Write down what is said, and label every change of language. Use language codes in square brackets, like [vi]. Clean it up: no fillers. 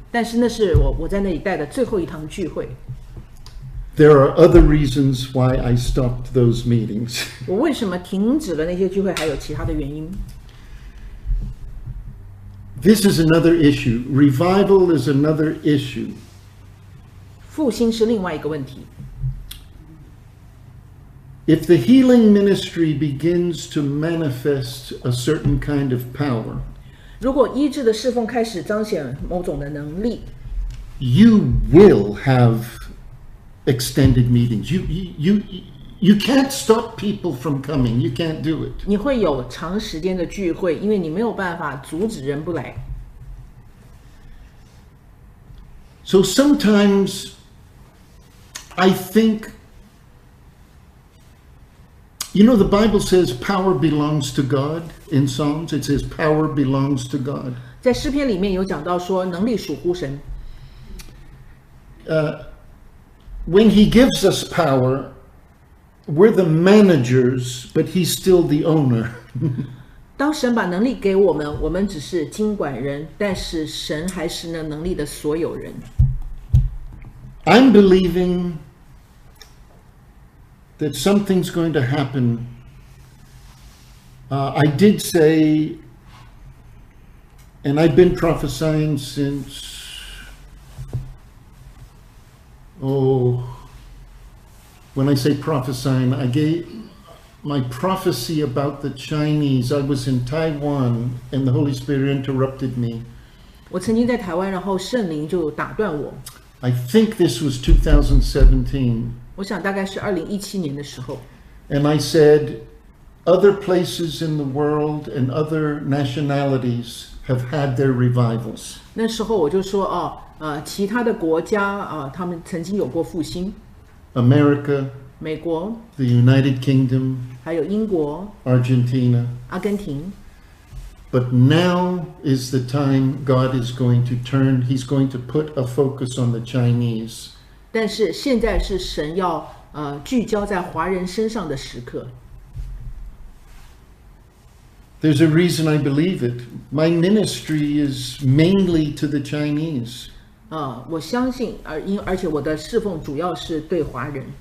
[zh] 但是那是我在那里带的最后一堂聚会。 [en] There are other reasons why I stopped those meetings. [zh] 我为什么停止了那些聚会，还有其他的原因。 [en] This is another issue. Revival is another issue. [zh] 复兴是另外一个问题。 [en] If the healing ministry begins to manifest a certain kind of power, [zh] 如果医治的侍奉开始彰显某种的能力， [en] you will have extended meetings. You can't stop people from coming. You can't do it. [zh] 你会有长时间的聚会，因为你没有办法阻止人不来。 [en] So sometimes I think, you know, the Bible says power belongs to God. In Psalms, it says power belongs to God. [zh] 在诗篇里面有讲到说，能力属乎神。 [en] When he gives us power, we're the managers, but he's still the owner. [zh] 当神把能力给我们，我们只是经管人，但是神还是那能力的所有人。 [en] I'm believing that something's going to happen. I did say, and I've been prophesying since, oh, when I say prophesying, I gave my prophecy about the Chinese. I was in Taiwan and the Holy Spirit interrupted me. [zh] 我曾经在台湾，然后圣灵就打断我。 [en] I think this was 2017. [zh] 我想大概是2017年的时候。 [en] And I said, other places in the world and other nationalities have had their revivals. [zh] 那时候我就说其他的国家他们曾经有过复兴。 [en] America, [zh] 美国， [en] the United Kingdom, [zh] 还有英国、 [en] Argentina. [zh] 阿根廷。 [en] But now is the time God is going to turn, He's going to put a focus on the Chinese. [zh] 但是现在是神要聚焦在华人身上的时刻。 [en] There's a reason I believe it. My ministry is mainly to the Chinese. [zh] 我相信，而且我的侍奉主要是对华人。